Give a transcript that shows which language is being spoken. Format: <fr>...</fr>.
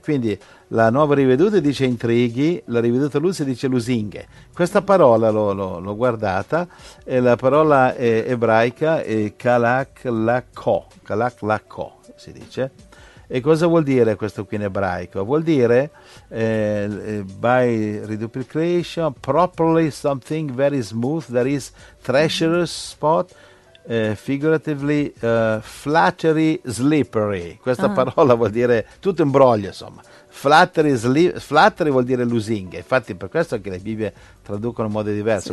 <it>Quindi la nuova riveduta dice intrighi, la riveduta Luzzi dice lusinghe. Questa parola l'ho guardata, è la parola ebraica è kalak lako, si dice. E cosa vuol dire questo qui in ebraico? Vuol dire</it> <en>by reduplication, properly something very smooth, there is treacherous spot, figuratively flattery slippery.</en> <it>Questa parola vuol dire tutto imbroglio, insomma. Flattery vuol dire lusinghe. Infatti per questo che le Bibbie traducono in modo diverso.</it>